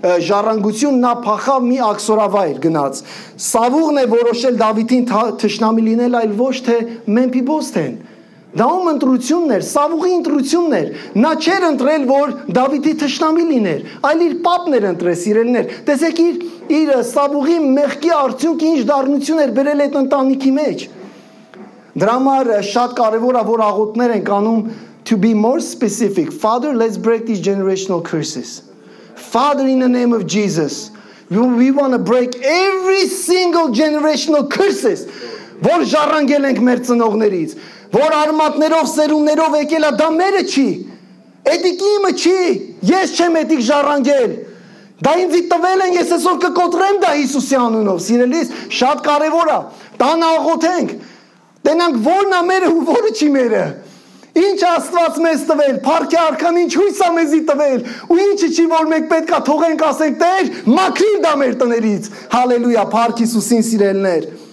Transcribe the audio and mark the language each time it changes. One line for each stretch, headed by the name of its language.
Armenian: ժառանգություն, նա փախավ, մի աքսորավայր գնաց, Սավուղն է որոշել Դավիթին թշնամի լինել, այլ ոչ թե Մեմփիբոստեն, դա ում ընտրությունն էր, Սավուղի ընտրությունն էր, նա չէր ընտրել, որ Դավիթի թշնամի լիներ, այլ իր պապն էր ընտրել, սիրելիներ, տեսեք իր Սավուղի մեղքի արդյունքը ինչ դառնություն էր բերել այդ ընտանիքի մեջ, դրա համար շատ կարևոր է, որ աղոթներ ենք անում,
English: to be more specific, Father, let's break these generational curses. Father, in the name of Jesus, we want to break every single generational curses.
Armenian: Որ ժառանգել ենք մեր ծնողներից, որ արմատներով, սերումներով եկել է, դա մերը չի, էդիկ իմը չի, ես չեմ էդիկ ժառանգել, դա ինձ տվել են, ես այսօր կկոտրեմ դա Հիսուսի անունով, սիրելիս, շատ կարևոր է, տանը աղոթենք, տենանք որն է մերը ու որը չի մերը, ինչ Աստված մեզ տվել, Փառքի արքան ինչ հույս է մեզի տվել, ու ինչը չի, որ մենք պետք է թողենք, ասենք, Տեր, մաքրիր դա մեր տներից, հալելույա, Փառք Հիսուսին, սիրելիներ,